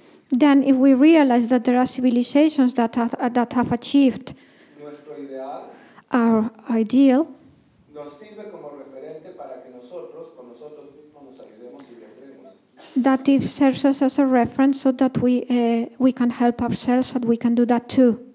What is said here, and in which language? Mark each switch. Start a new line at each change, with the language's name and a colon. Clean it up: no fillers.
English: Then if we realize that there are civilizations that have achieved
Spanish: nuestro ideal,
English: our ideal,
Spanish: nos sirve como referente para que nosotros, con nosotros mismos, nos ayudemos y aprendemos.
English: That it serves us as a reference so that we can help ourselves and we can do that too.